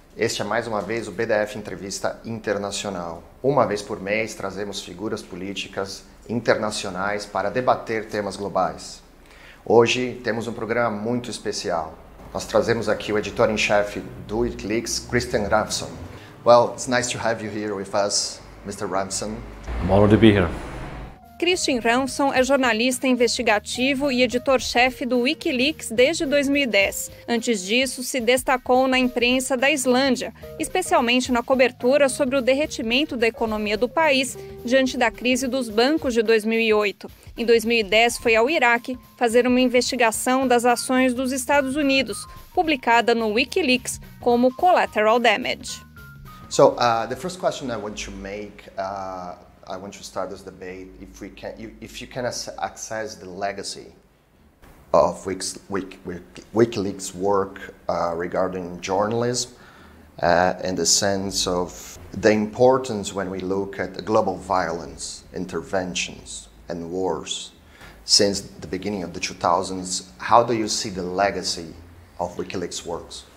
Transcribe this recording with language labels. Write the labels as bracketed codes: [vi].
[pt] Este é mais uma vez o BdF Entrevista Internacional. Uma vez por mês trazemos figuras políticas internacionais para debater temas globais. Hoje temos um programa muito especial. Nós trazemos aqui o editor em chefe do Wikileaks, Kristinn Hrafnsson. [en] Well, it's nice to have you here with us, Mr. Hrafnsson. I'm honored to be here. [pt] Kristinn Hrafnsson é jornalista investigativo e editor-chefe do Wikileaks desde 2010. Antes disso, se destacou na imprensa da Islândia, especialmente na cobertura sobre o derretimento da economia do país diante da crise dos bancos de 2008. Em 2010, foi ao Iraque fazer uma investigação das ações dos Estados Unidos, publicada no Wikileaks como Collateral Damage. [en] So, the first question I want to make, I want to start this debate. If you can access the legacy of WikiLeaks' work regarding journalism, in the sense of the importance when we look at the global violence, interventions, and wars since the beginning of the 2000s, how do you see the legacy of WikiLeaks' works?